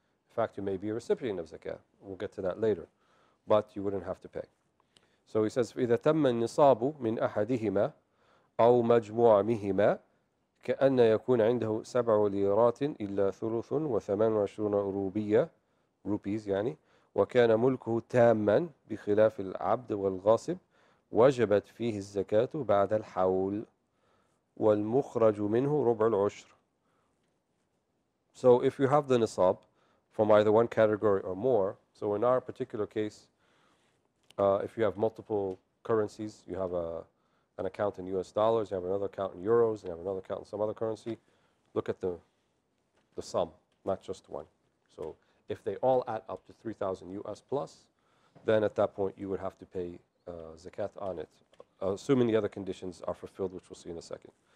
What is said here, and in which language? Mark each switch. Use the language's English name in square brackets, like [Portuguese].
[English] In fact, you may be a recipient of zakah. We'll get to that later. But you wouldn't have to pay. So he says, [Arabic] إِذَا تَمَّ النِّصَابُ مِنْ أَحَدِهِمَا أَوْ مَجْمُوعَ مِهِمَا كَأَنَّ يَكُونَ عِنْدَهُ 7 liras إِلَّا ثُلُثٌ و28 رُوبِيَّةٌ rupees, يعني وَكَانَ مُلْكُهُ تَامًا بِخِلَافِ الْعَبْدِ وَالْغَاصِبِ وَجَبَتْ فِيهِ الزَّكَاةُ بَعْدَ الْحَوْلِ وَالْمُخْرَجُ مِنْهُ رُبْعُ الْعُشْرِ. [English] So if you have the nisab from either one category or more, so in our particular case, if you have multiple currencies. You have an account in US dollars, you have another account in euros, you have another account in some other currency. Look at the sum, not just one. So if they all add up to 3,000 US plus, then at that point you would have to pay zakat on it, assuming the other conditions are fulfilled, which we'll see in a second.